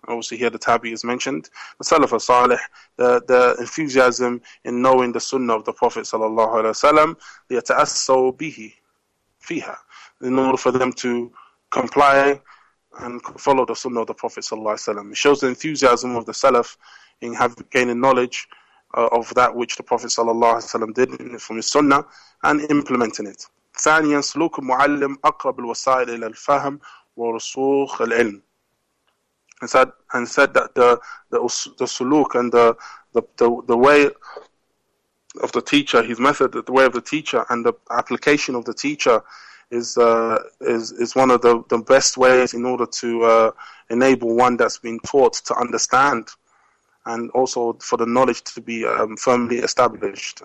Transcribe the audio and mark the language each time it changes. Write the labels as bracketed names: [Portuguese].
[English] Obviously here the tabi is mentioned, the salaf salih, the enthusiasm in knowing the sunnah of the Prophet sallallahu alaihi wasallam, the ta'assu bihi fiha, in order for them to comply and follow the sunnah of the Prophet sallallahu alaihi wasallam. It shows the enthusiasm of the salaf in gaining knowledge of that which the Prophet sallallahu alaihi wasallam did from his sunnah and implementing it. [Arabic] ثانياً سلوك معلم أقرب الوسائل إلى الفهم ورسوخ العلم. [English] And said that the سلوك and the way of the teacher, his method, the way of the teacher and the application of the teacher is one of the best ways in order to enable one that's been taught to understand, and also for the knowledge to be firmly established.